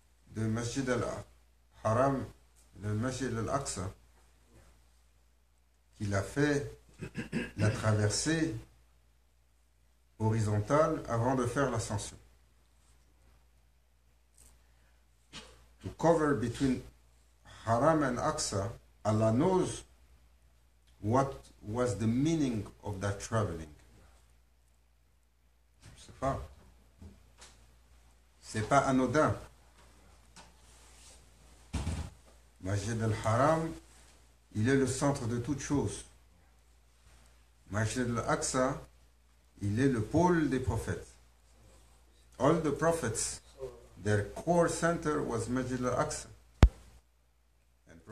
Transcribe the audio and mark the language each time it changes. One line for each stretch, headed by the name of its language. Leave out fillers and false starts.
French: de Masjid al-Haram, le Masjid al-Aqsa, qu'il a fait la traversée horizontale avant de faire l'ascension.
English: To cover between Haram and Aqsa, Allah knows what was the meaning of that traveling.
French: Je ne sais pas. Ce n'est pas anodin. Masjid al-Haram, il est le centre de toutes choses. Masjid al-Aqsa, il est le pôle des prophètes.
English: All the prophets, their core center was Masjid al-Aqsa. And Prophet